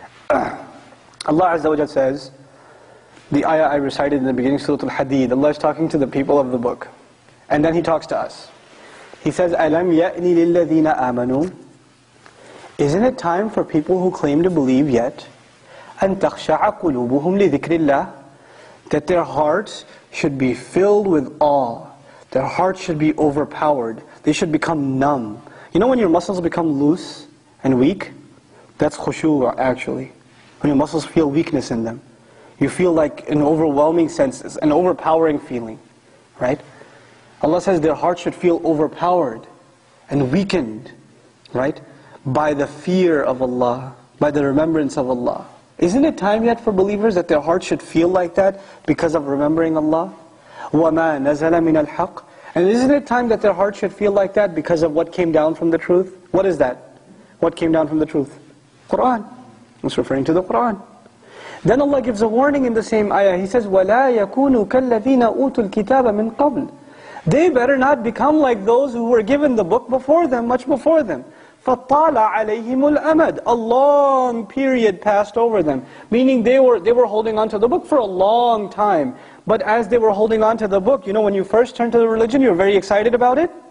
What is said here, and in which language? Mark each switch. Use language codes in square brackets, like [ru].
[en] Allah Azza wa Jal says, the ayah I recited in the beginning, Surah Al-Hadid, Allah is talking to the people of the book. And then He talks to us. He says, [ar] أَلَمْ يَأْنِ لِلَّذِينَ آمَنُوا [en] Isn't it time for people who claim to believe yet? [ar] أن تخشع قلوبهم لذكر الله. [en] That their hearts should be filled with awe. Their hearts should be overpowered. They should become numb. You know when your muscles become loose and weak? That's khushu' actually. When your muscles feel weakness in them. You feel like an overwhelming sense, an overpowering feeling. Right? Allah says their hearts should feel overpowered and weakened. Right? By the fear of Allah, by the remembrance of Allah. Isn't it time yet for believers that their hearts should feel like that because of remembering Allah? [ar] وَمَا نَزَلَ مِنَ الْحَقِّ. [en] And isn't it time that their hearts should feel like that because of what came down from the truth? What is that? What came down from the truth? Quran. It's referring to the Quran. Then Allah gives a warning in the same ayah. He says, [ar] وَلَا يَكُونُوا كَالَّذِينَ أُوتُوا الْكِتَابَ مِنْ قَبْلِ. [en] They better not become like those who were given the book before them, much before them. [ar] فَطَّالَ عَلَيْهِمُ الْأَمَدِ. [en] A long period passed over them. Meaning they were holding on to the book for a long time. But as they were holding on to the book, you know when you first turned to the religion, you were very excited about it?